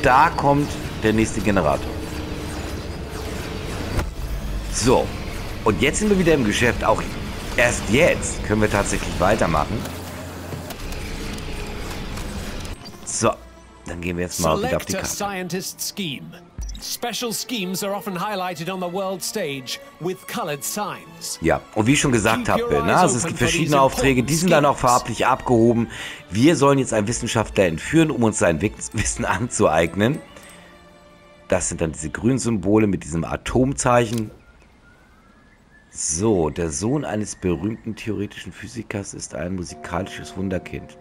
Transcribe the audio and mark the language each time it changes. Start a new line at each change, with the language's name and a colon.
German: Da kommt der nächste Generator. So, und jetzt sind wir wieder im Geschäft. Auch erst jetzt können wir tatsächlich weitermachen. So, dann gehen wir jetzt mal wieder auf die Karte.
English: Scientist scheme. Special schemes are often highlighted on the world stage with colored signs.
German: Ja, und wie ich schon gesagt habe, ne, also es gibt verschiedene Aufträge, die sind dann auch farblich abgehoben. Wir sollen jetzt einen Wissenschaftler entführen, um uns sein Wissen anzueignen. Das sind dann diese grünen Symbole mit diesem Atomzeichen. So, der Sohn eines berühmten theoretischen Physikers ist ein musikalisches Wunderkind.